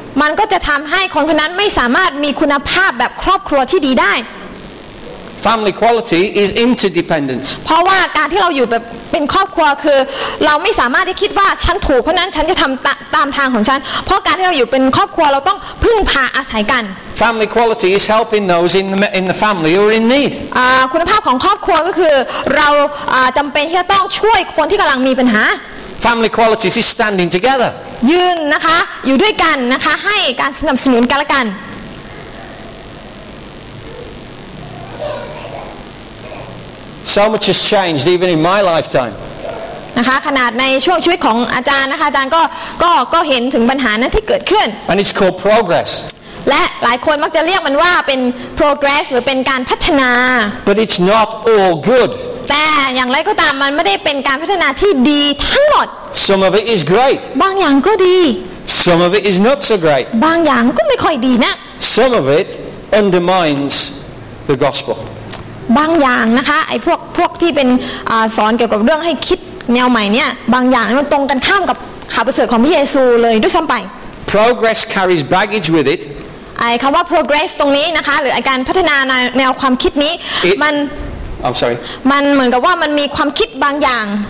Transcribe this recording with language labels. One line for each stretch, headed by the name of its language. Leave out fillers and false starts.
Thai: มันก็จะทำให้คนคนนั้นไม่สามารถมีคุณภาพแบบครอบครัวที่ดีได้
English: family quality is interdependence.
Thai: เพราะว่าการที่เราอยู่แบบเป็นครอบครัวคือเราไม่สามารถที่คิดว่าฉันถูกเพราะนั้นฉันจะทำตามทางของฉันเพราะการที่เราอยู่เป็นครอบครัวเราต้องพึ่งพาอาศัยกัน
English: Family quality is helping those in the family who are in need.
Thai: คุณภาพของครอบครัวก็คือเราจำเป็นที่จะต้องช่วยคนที่กำลังมีปัญหา
English: Family quality is standing together.
Thai: ยืนนะคะอยู่ด้วยกันนะคะให้การสนับสนุนกันและกัน
English: So much has changed even in my lifetime.
Thai: นะคะขนาดในช่วงชีวิตของอาจารย์นะคะอาจารย์ก็เห็นถึงปัญหานั้นที่เกิดขึ้น
English: And it's called progress.
Thai: และหลายคนมักจะเรียกมันว่าเป็น progress หรือเป็นการพัฒนา
English: But it's not all good
Thai: แต่อย่างไรก็ตามมันไม่ได้เป็นการพัฒนาที่ดีทั้งหมด
English: Some of it is great
Thai: บางอย่างก็ดี
English: Some of it is not so great
Thai: บางอย่างก็ไม่ค่อยดีนะ
English: Some of it undermines the gospel
Thai: บางอย่างนะคะไอ้พวกที่เป็นสอนเกี่ยวกับเรื่องให้คิดแนวใหม่เนี่ยบางอย่างมันตรงกันข้ามกับข่าวประเสริฐของพระเยซูเลยด้วยซ้ำไป
English: Progress carries baggage with it
Thai: ไอ้คำว่า progress ตรงนี้นะคะหรือการพัฒนาแนวความคิดนี้
English: It,
Thai: มัน
English: I'm sorry
Thai: มันเหมือนกับว่ามันมีความคิดบางอย่าง